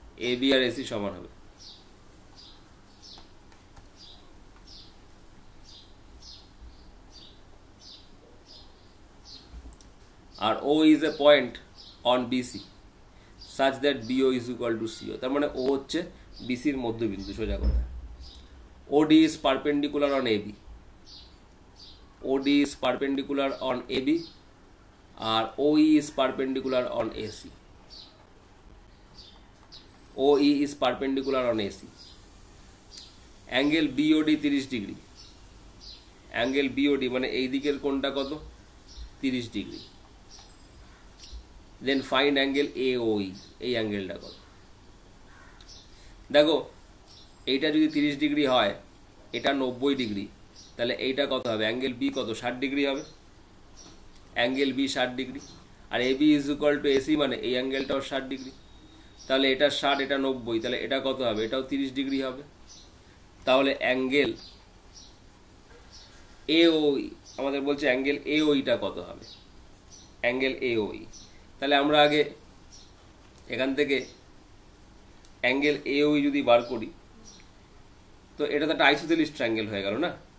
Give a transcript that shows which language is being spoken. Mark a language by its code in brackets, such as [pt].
[bn] AB আর AC সমান হবে, [en] আর O is a point on BC such that BO is equal to CO, [bn] তার মানে ও হচ্ছে বিসির মধ্যবিন্দু, সোজা কথা, [en] OD is perpendicular on AB, OD is perpendicular on AB, আর O is perpendicular on AC, OE is perpendicular on AC. Angle BOD 30 degree. [bn] Angle BOD মানে এই দিকের কোণটা কত? 30 degree. [en] Then find angle AOE. [bn] এই অ্যাঙ্গেলটা কত? দেখো এইটা যদি 30 degree হয় এটা 90 degree তাহলে এইটা কত হবে? Angle B কত? 60 degree হবে. [en] Angle B 60 degree আর AB is equal to AC [bn] মানে এই অ্যাঙ্গেলটাও [en] 60 degree. [bn] তাহলে এটা 60 এটা 90 তাহলে এটা কত হবে? এটাও 30 degree হবে. তাহলে অ্যাঙ্গেল AOE আমাদের বলছে অ্যাঙ্গেল AOE টা কত হবে? অ্যাঙ্গেল AOE তাহলে আমরা আগে এখান থেকে অ্যাঙ্গেল AOE যদি বার করি তো এটা তো একটা আইসোসেলিস ট্রায়াঙ্গেল হয়ে গেল না?